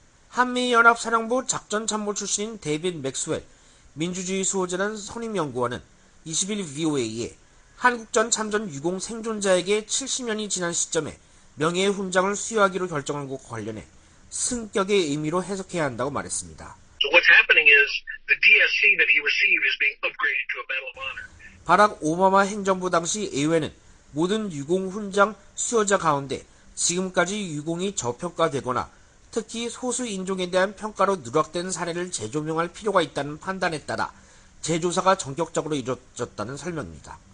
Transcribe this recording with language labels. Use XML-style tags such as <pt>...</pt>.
<ko>한미연합사령부 작전참모 출신 데이빗 맥스웰 민주주의 수호재단 선임연구원은 20일 VOA에 한국전 참전 유공 생존자에게 70년이 지난 시점에 명예의 훈장을 수여하기로 결정한 것과 관련해 승격의 의미로 해석해야 한다고 말했습니다.</ko> <en>So what's happening is the DSC that he received is being upgraded to a Medal of Honor.</en> <ko>바락 오바마 행정부 당시 의회는 모든 유공 훈장 수여자 가운데 지금까지 유공이 저평가되거나 특히 소수 인종에 대한 평가로 누락된 사례를 재조명할 필요가 있다는 판단에 따라 재조사가 전격적으로 이루어졌다는 설명입니다.</ko>